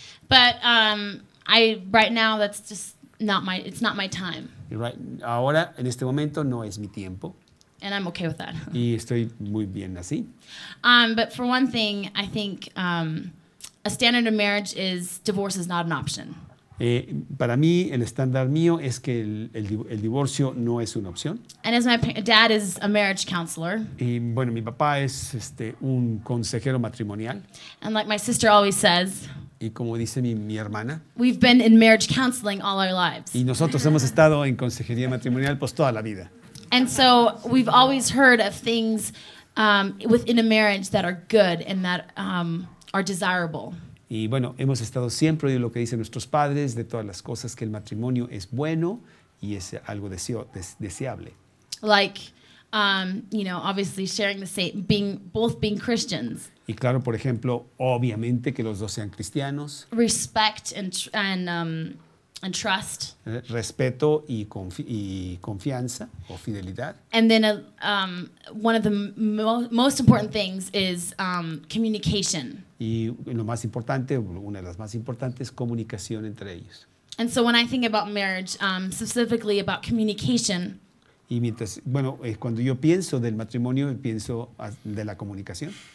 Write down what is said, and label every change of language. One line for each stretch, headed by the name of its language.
English: But right now, that's just it's not my time. Right.
Spanish: Ahora, en este momento, no es mi tiempo.
English: And I'm okay with that.
Spanish: Y estoy muy bien así.
English: But for one thing, I think a standard of marriage is divorce is not an option.
Spanish: Para mí, el estándar mío es que el divorcio no es una opción.
English: And as my dad is a marriage counselor.
Spanish: Y bueno, mi papá es un consejero matrimonial.
English: And like my sister always says.
Spanish: Y como dice mi hermana.
English: We've been in marriage counseling all our lives.
Spanish: Y nosotros hemos estado en consejería matrimonial pues toda la vida.
English: And so we've always heard of things within a marriage that are good and that are desirable.
Spanish: Y bueno, hemos estado siempre oyendo lo que dicen nuestros padres de todas las cosas que el matrimonio es bueno y es algo deseable.
English: Like, you know, obviously sharing the same, both being Christians.
Spanish: Y claro, por ejemplo, obviamente que los dos sean cristianos.
English: Respect and trust.
Spanish: Respeto y confianza o fidelidad.
English: And then one of the most important things is communication.
Spanish: Y lo más importante, una de las más importantes, comunicación entre ellos.
English: And so when I think about marriage, specifically about communication.
Spanish: Y mientras, bueno, cuando yo pienso del matrimonio, pienso de la comunicación.